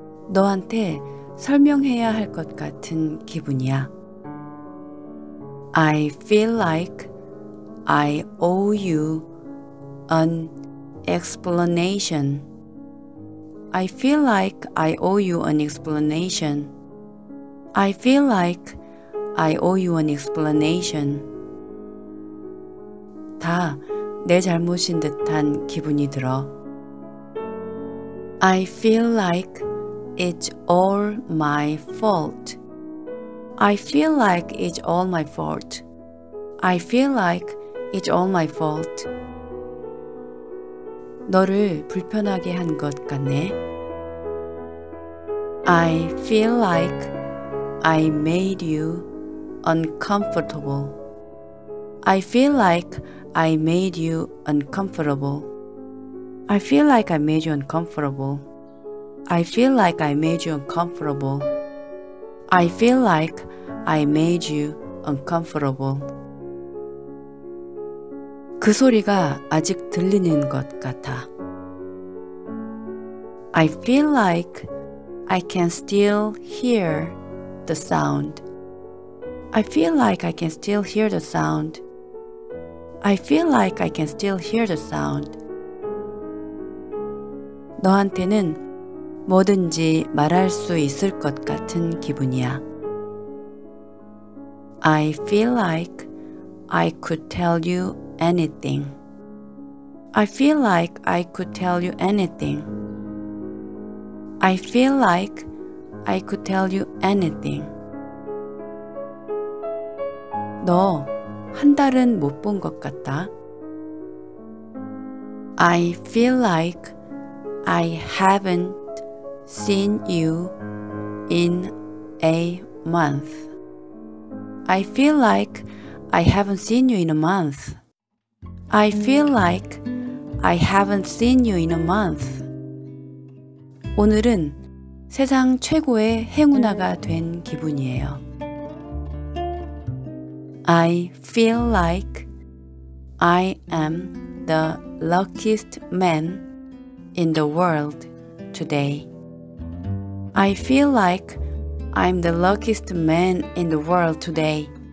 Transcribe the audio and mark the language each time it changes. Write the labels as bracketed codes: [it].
[ko] 너한테 설명해야 할 것 같은 기분이야. [en] I feel like I owe you an explanation. I feel like I owe you an explanation. I feel like I owe you an explanation. [ko] 다 내 잘못인 듯한 기분이 들어. [en] I feel like it's all my fault. I feel like it's all my fault. I feel like it's all my fault. [ko] 너를 불편하게 한 것 같네. [en] I feel like I made you uncomfortable. I feel like I made you uncomfortable. I feel like I made you uncomfortable. I feel like I made you uncomfortable. I feel like I made you uncomfortable. [ko] 그 소리가 아직 들리는 것 같아. [en] I feel like I can still hear the sound. I feel like I can still hear the sound. I feel like I can still hear the sound. [ko] 너한테는 뭐든지 말할 수 있을 것 같은 기분이야. [en] I feel like I could tell you anything. I feel like I could tell you anything. I feel like I could tell you anything. [ko] 너 한 달은 못 본 것 같다. [en] I feel like I haven't seen you in a month. I feel like I haven't seen you in a month. I feel like I haven't seen you in a month. [ko] 오늘은 세상 최고의 행운아가 된 기분이에요. [en] I feel like I am the luckiest man in the world. today. I feel like I'm the luckiest man in the world today.